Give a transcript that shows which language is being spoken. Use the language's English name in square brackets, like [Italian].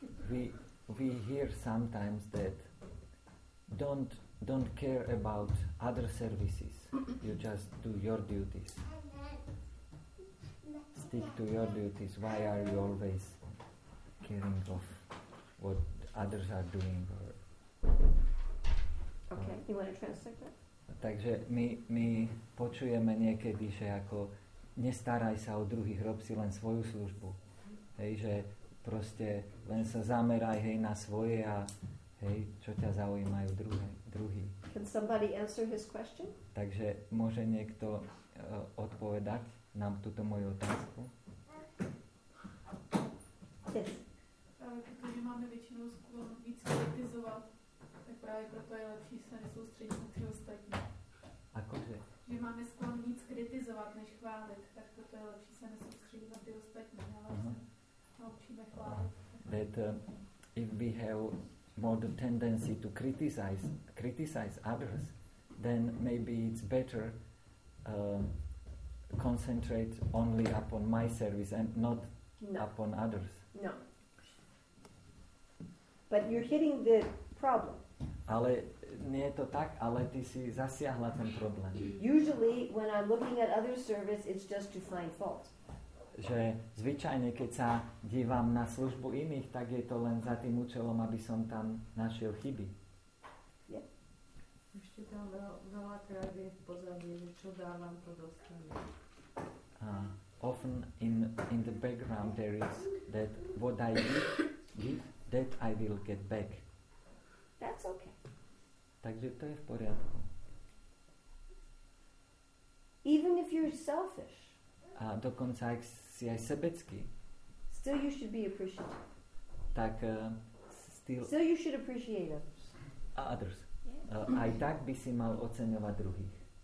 [English] We hear sometimes that don't care about other services. You just do your duties. Stick to your duties. Why are you always caring of what others are doing? Or, okay, you want to translate that? [Slovak] Takže my počujeme niekedy, že ako nestaraj sa o druhých, rob si len svoju službu. Hej, že proste len sa zameraj, hej, na svoje a hej, čo ťa zaujímajú druhý. [English] Can somebody answer his question? [Slovak] Takže môže niekto odpovedať nám túto moju otázku? [English] Yes. [Slovak] Pretože máme väčšinou skôr víc kritizovať, tak práve preto je lepší sa nesústrediť na tie ostatní. Akože? Že máme skôr víc kritizovať, než chváliť, tak preto je lepší sa nesústrediť na tie ostatní. Naučíme chváliť. [English] That if we have more the tendency to criticize others, then maybe it's better concentrate only upon my service and not upon others. No. But you're hitting the problem. [Slovak] Ale nie je to tak, ale ty si zasiahla ten problém. [English] Usually when I'm looking at other service it's just to find fault. [Slovak] Že zvyčajne keď sa dívam na službu iných, tak je to len za tým účelom, aby som tam našiel chyby. Ešte tam veľakrát je v pozadí, že čo dávam, to dostanem. [English] Often in the background there is that what I give, that I will get back. That's okay. [Slovak] Takže to je v poriadku. [English] Even if you're selfish. [Slovak] A dokonca ak si aj sebecký. [English] Still you should be appreciative. [Slovak] Tak [English] still you should appreciate others. Others. [Slovak] Aj tak by si mal oceňovať druhých.